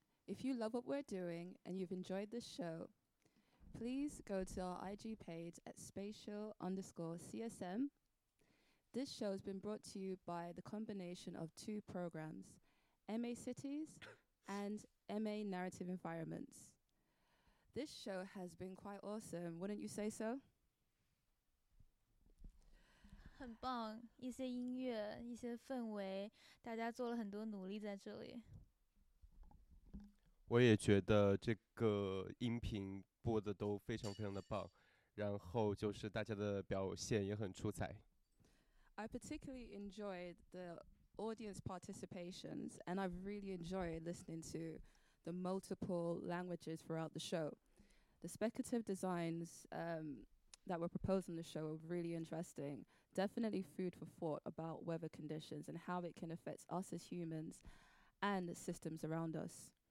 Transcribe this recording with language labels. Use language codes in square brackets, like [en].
[en] If you love what we're doing and you've enjoyed this show, please go to our IG page at spatial_CSM. This show has been brought to you by the combination of two programs, MA Cities and MA Narrative Environments. This show has been quite awesome, wouldn't you say so? [zh] 很棒，一些音乐，一些氛围，大家做了很多努力在这里。我也觉得这个音频播的都非常非常的棒，然后就是大家的表现也很出彩。 [en] I particularly enjoyed the audience participations, and I've really enjoyed listening to the multiple languages throughout the show. The speculative designs, that were proposed on the show were really interesting. Definitely food for thought about weather conditions and how it can affect us as humans and the systems around us.